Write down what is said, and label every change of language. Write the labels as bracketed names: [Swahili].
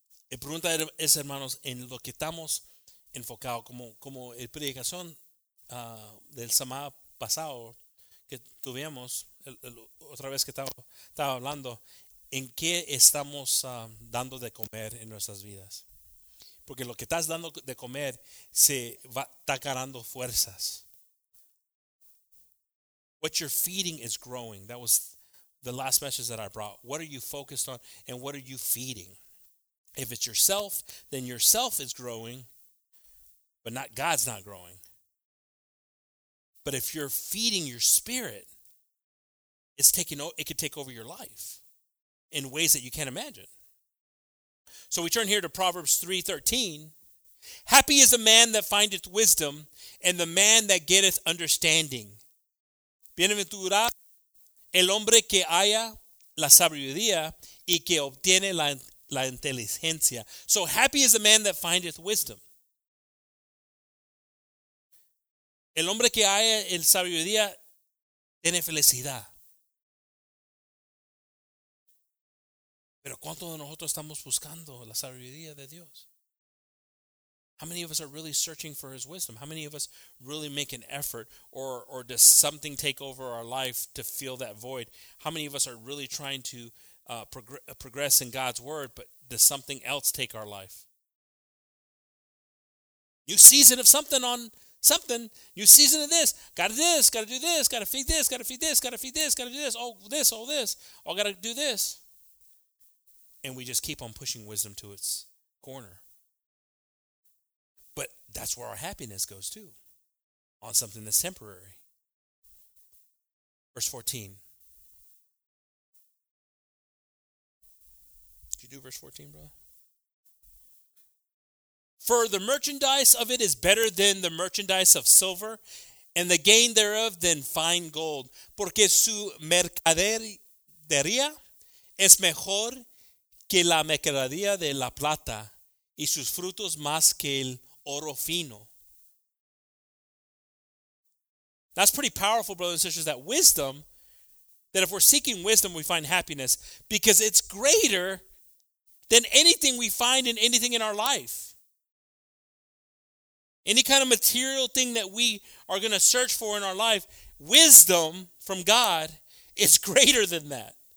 [Spanish] La pregunta es, hermanos, en lo que estamos enfocado, como el predicación del semana pasado que tuvimos, otra vez que estaba hablando, en qué estamos dando de comer en nuestras vidas. Porque lo que estás dando de comer se va, está ganando fuerzas. [English] What you're feeding is growing. That was the last message that I brought. What are you focused on and what are you feeding? If it's yourself, then yourself is growing, but not God's not growing. But if you're feeding your spirit, it could take over your life in ways that you can't imagine. So we turn here to Proverbs 3:13. Happy is the man that findeth wisdom, and the man that getteth understanding. [Spanish] Bienaventurado el hombre que haya la sabiduría y que obtiene la inteligencia. [English] So happy is the man that findeth wisdom. [Spanish] El hombre que haya el sabiduría tiene felicidad. Pero ¿cuántos de nosotros estamos buscando la sabiduría de Dios? [English] How many of us are really searching for his wisdom? How many of us really make an effort or does something take over our life to fill that void? How many of us are really trying to progress in God's word, but does something else take our life? New season of something on something. New season of this. Got to do this. Got to do this. Got to feed this. Got to feed this. Got to feed this. Got to do this. Oh, this. Oh, this. Oh, got to do this. And we just keep on pushing wisdom to its corner. But that's where our happiness goes too, on something that's temporary. Verse 14. Do verse 14, brother? For the merchandise of it is better than the merchandise of silver, and the gain thereof than fine gold. Porque su mercadería es mejor que la mercadería de la plata, y sus frutos más que el oro fino. That's pretty powerful, brothers and sisters, that wisdom, that if we're seeking wisdom, we find happiness, because it's greater than anything we find in anything in our life. Any kind of material thing that we are going to search for in our life, wisdom from God is greater than that.